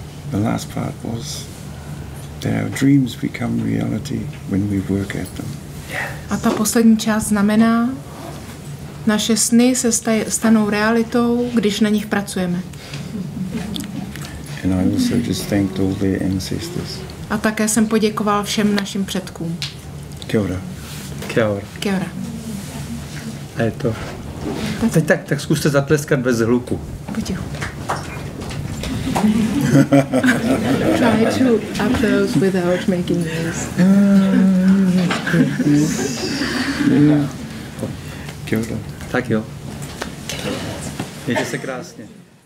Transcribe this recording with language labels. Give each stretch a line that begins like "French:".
English: The last part was that our dreams become reality when we work at them.
Czech: A ta poslední část znamená, naše sny se stanou realitou, když na nich pracujeme.
English: And I also just thanked all their ancestors.
Czech: A také jsem poděkoval všem našim předkům.
Māori: Kia ora. Kia ora. Kia ora.
Czech: A je to. Teď tak zkuste zatleskat bez hluku. Potichu.
English: Try to applaud without making noise.
Māori: Kia ora.
Czech: Tak jo. Mějte se krásně.